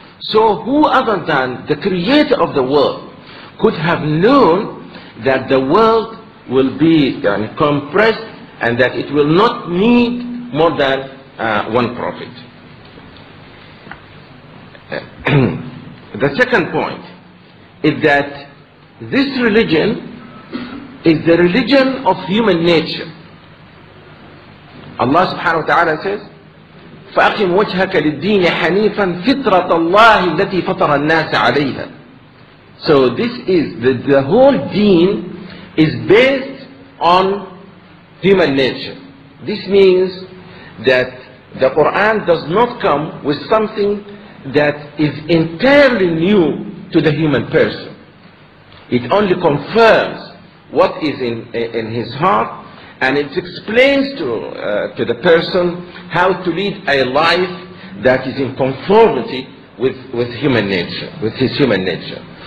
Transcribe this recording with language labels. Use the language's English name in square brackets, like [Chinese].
[English] So who other than the creator of the world could have known that the world will be compressed and that it will not need more than one prophet? The second point is that this religion is the religion of human nature. Allah subhanahu wa ta'ala says, [Arabic] فَأَقِمْ وَجْهَكَ لِلدِّينِ حَنِيفًا فِطْرَةَ اللَّهِ الَّتِي فَطَرَ النَّاسَ عَلَيْهَا. [English] So this is, the whole deen is based on human nature. This means that the Quran does not come with something that is entirely new to the human person. It only confirms what is in his heart, and it explains to the person how to lead a life that is in conformity with human nature, with his human nature.